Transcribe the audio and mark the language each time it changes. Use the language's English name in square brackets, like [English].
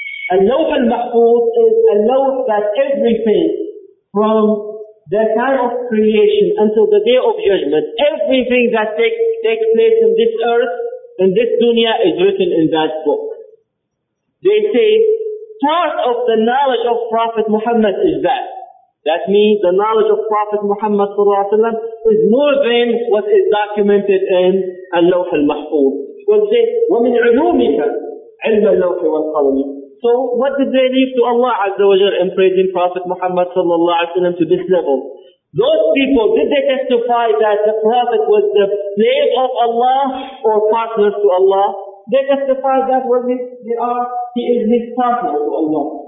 [English] Al-lawh al-mahfuz is a lawh that everything from the time of creation until the day of judgment, everything that takes place in this earth, in this dunya, is written in that book. They say part of the knowledge of Prophet Muhammad is that. That means the knowledge of Prophet Muhammad sallallahu alaihi wasallam is more than what is documented in al-lawh al-mahfuz. Well, say, [Arabic] وَمِنْ عُلُومِكَ عِلْمَ اللَّوْحِ وَالْقَلَمِ. [English] So what did they leave to Allah azza wa jalla in praising Prophet Muhammad sallallahu alaihi wasallam to this level? Those people, did they testify that the Prophet was the slave of Allah or partner to Allah? They testified that he is his partner to Allah.